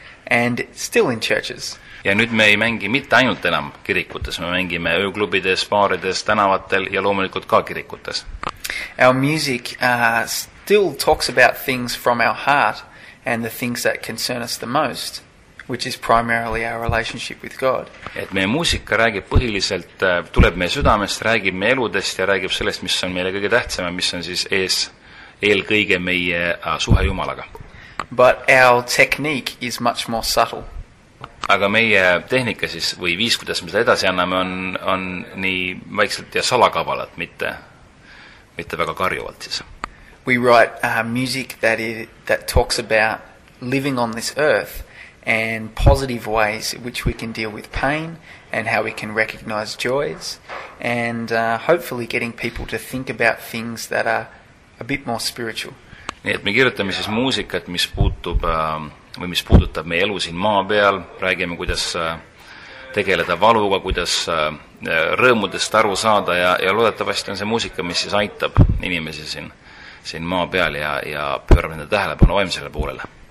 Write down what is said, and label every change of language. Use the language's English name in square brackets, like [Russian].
[English] And still in churches. [Estonian] Ja nüüd me ei mängi mitte ainult enam kirikutes, me mängime ööklubides, baarides, tänavatel ja loomulikult ka kirikutes. [English] Our music still talks about things from our heart and the things that concern us the most, which is primarily our relationship with God. [Estonian] Et meie muusika räägib põhiliselt, tuleb meie südamest, räägib meie eludest ja räägib sellest, mis on meile kõige tähtsam, mis on siis eelkõige meie suhe Jumalaga. [English] But our technique is much more subtle. [Estonian] Aga meie tehnika siis või viis, kuidas me seda edasi anname, on nii vaikselt ja salakavalat, mitte väga karjuvalt siis. [English] We write music that talks about living on this earth and positive ways which we can deal with pain and how we can recognize joys and hopefully getting people to think about things that are a bit more spiritual. [Estonian] Nii et me kirjutame siis muusikat, mis puutub või mis puudutab meie elu siin maa peal, räägime, kuidas tegeleda valuga, kuidas rõõmudest aru saada ja loodetavasti on see muusika, mis siis aitab inimesi siin maa peal ja pöörab enda tähelepanu vaimsele poolele.